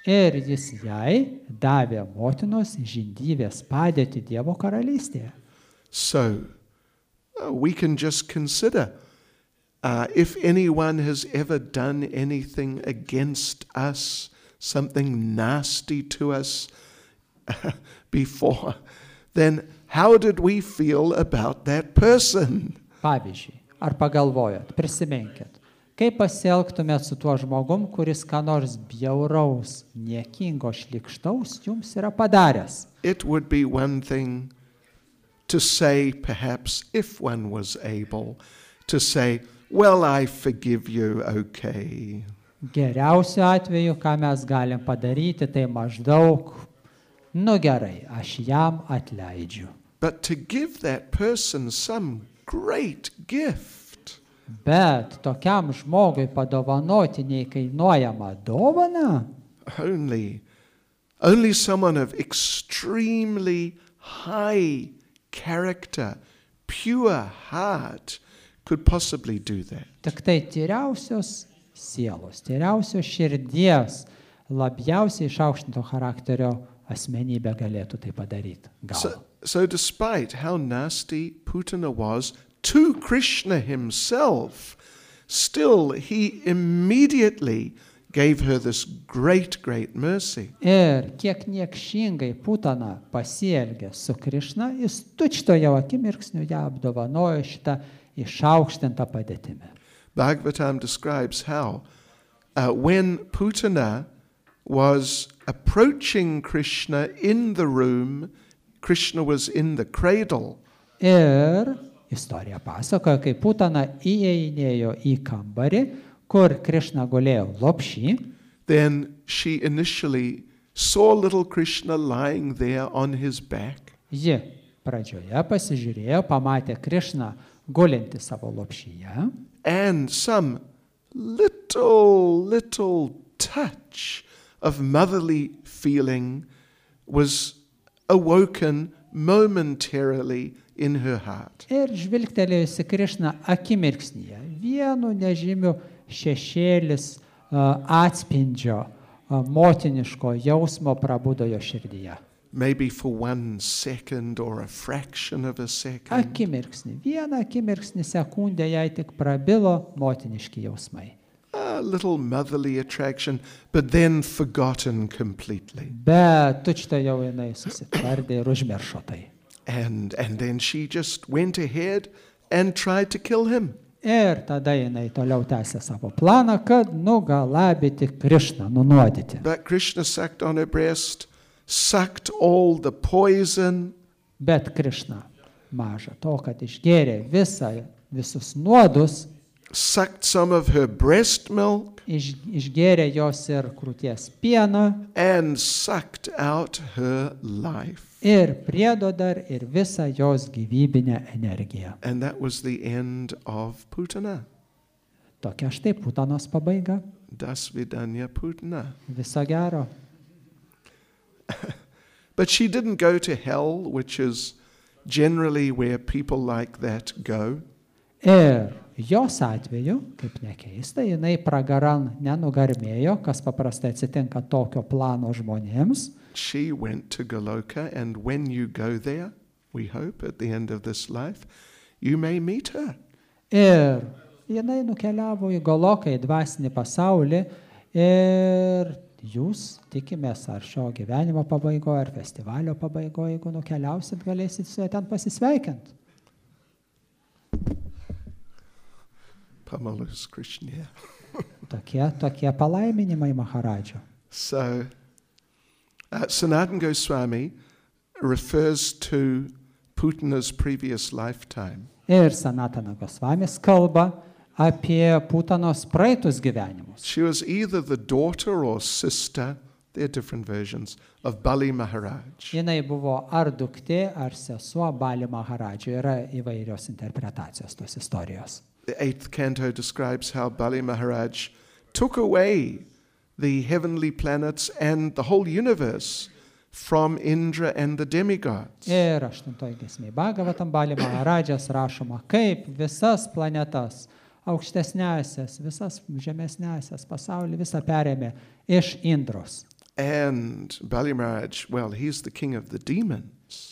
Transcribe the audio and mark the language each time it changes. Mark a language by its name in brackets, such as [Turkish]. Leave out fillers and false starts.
[Lithuanian] Ir jis jai davė motinos žindyvės padėti Dievo karalystėje. [English] So, we can just consider if anyone has ever done anything against us, something nasty to us before, then how did we feel about that person? [Lithuanian] Pavyzdžiui, ar pagalvojot, prisiminkit, kaip pasielgtumėt su tuo žmogum, kuris ką nors bjauraus, niekingo, šlikštaus jums yra padaręs? [English] It would be one thing to say, perhaps, if one was able, to say, well, I forgive you, okay. [Lithuanian] Geriausiu atveju, ką mes galim padaryti, tai maždaug, nu gerai, aš jam atleidžiu. [English] But to give that person some great gift. [Lithuanian] Bet tokiam žmogui padovanoti neįkainuojamą dovaną. [English] Only someone of extremely high character, pure heart could possibly do that. [Lithuanian] Tik tai tyriausios sielos, tyriausios širdies, labiausiai išaukštinto charakterio asmenybė galėtų tai padaryti. [English] So despite how nasty Putana was to Krishna himself, still he immediately gave her this great, great mercy. [Lithuanian] Ir kiek niekšingai Putana pasielgė su Krishna, jis tučtojau akimirksniu ją apdovanojo šitą išaukštintą padėtimį. [English] Bhagavatam describes how when Putana was approaching Krishna in the room, Krishna was in the cradle. [Lithuanian] Ir istorija pasakoja, kaip Putana įeinėjo į kambarį, kur Krishna gulėjo lopšį. [English] Then she initially saw little Krishna lying there on his back. [Lithuanian] Ji pradžioje pasižiūrėjo, pamatė Krishna gulintį savo lopšyje. [English] And some little touch of motherly feeling was awoken momentarily in her heart. [Lithuanian] Ir žvilgtelėjusi Krishna akimirksnyje, vienu nežymiu šešėlis atspindžio motiniško jausmo prabūdo jo širdyje. [English] Maybe for one second or a fraction of a second. [Lithuanian] Akimirksnį, vieną akimirksnį sekundę jai tik prabilo motiniški jausmai. [English] A little motherly attraction, but then forgotten completely. [Lithuanian] Bet tučtojau jinai susitvardė ir užmiršo tai. [English] And then she just went ahead and tried to kill him. [Lithuanian] Ir tada jinai toliau tęsė savo planą, kad nugalabyti Krišną, nunuodyti. [English] But Krishna sucked on her breast, sucked all the poison. [Lithuanian] Bet Krišna, maža to, kad išgėrė visus nuodus, [English] sucked some of her breast milk, [Lithuanian] išgėrė jos ir krūties pieną, [English] and sucked out her life. [Lithuanian] Ir priedo dar ir visą jos gyvybinę energiją. [English] And that was the end of Putana. [Lithuanian] Tokia štai Putanos pabaiga. [Russian] Das vidanya Putana. [Lithuanian] Viso gero. [English] But she didn't go to hell, which is generally where people like that go. [Lithuanian] Ir jos atveju, kaip nekeista, jinai pragaran nenugarmėjo, kas paprastai atsitinka tokio plano žmonėms. [English] She went to Goloka, and when you go there, we hope at the end of this life, you may meet her. [Lithuanian] Ir jinai nukeliavo į Goloką, į dvasinį pasaulį, ir jūs tikimės ar šio gyvenimo pabaigoje, ar festivalio pabaigoje, jeigu nukeliausit, galėsit su ten pasisveikint. Pamalus Krishna. Tokie palaiminimai Maharadžio. [English] So, Sanatana Goswami refers to Putana's previous lifetime. [Lithuanian] Ir Sanatana Goswami kalba apie Putanos praeitus gyvenimus. [English] She was either the daughter or sister, there are different versions, of Bali Maharaj. [Lithuanian] Jinai buvo ar duktė, ar sesuo Bali Maharadžio. Yra įvairios interpretacijos tos istorijos. [English] The eighth canto describes how Bali Maharaj took away the heavenly planets and the whole universe from Indra and the demigods. [Lithuanian] Ir aštuntoji giesmė Bhagavatam Bali Maharajas rašoma, kaip visas planetas, aukštesnėsias, visas žemesnėsias pasaulį, visą perėmė iš Indros. [English] And Bali Maharaj, well, he's the king of the demons.